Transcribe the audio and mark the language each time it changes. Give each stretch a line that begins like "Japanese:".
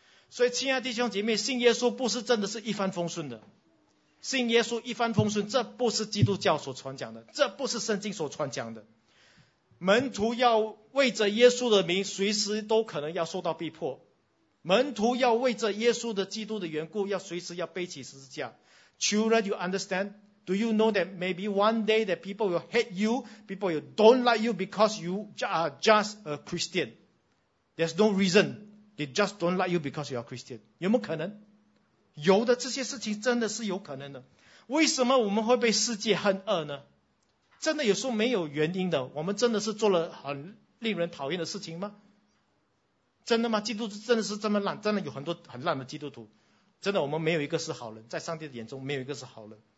Chinese: 所以亲爱的弟兄姐妹，信耶稣不是真的是一帆风顺的，信耶稣一帆风顺，这不是基督教所传讲的，这不是圣经所传讲的。门徒要为着耶稣的名随时都可能要受到逼迫，门徒要为着耶稣的基督的缘故要随时要背起十字架。
English: Children you understandDo you know that maybe one day that people will hate you, people will don't like you because you are just a Christian? There's no reason. They just don't like you because you are Christian.
Chinese: 有没有可能？有的，这些事情真的是有可能的。为什么我们会被世界恨恶呢？真的有时候没有原因的，我们真的是做了很令人讨厌的事情吗？真的吗？基督徒真的是这么烂？真的有很多很烂的基督徒？真的我们没有一个是好人，在上帝的眼中没有一个是好人。